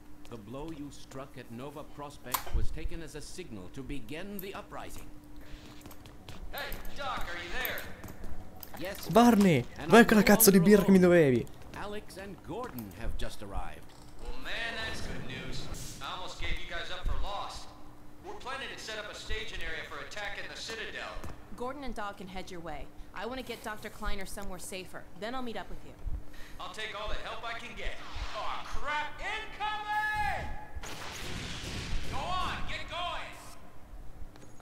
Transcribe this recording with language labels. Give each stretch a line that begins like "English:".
English: The blow you struck at Nova Prospect was taken as a signal to begin the uprising. Hey, Doc, are you there? Yes.
Italian: Barney, vai quella cazzo di birra che mi dovevi.
English: Alex and Gordon have just arrived. Well, man, that's good news. I almost gave you guys up for lost. We're planning to set up a staging area for attack in the Citadel. Gordon and Doc can head your way. I want to get Dr. Kleiner somewhere safer. Then I'll meet up with you. I'll take all the help I can get. Aw, oh, crap! Incoming! Go on, get going!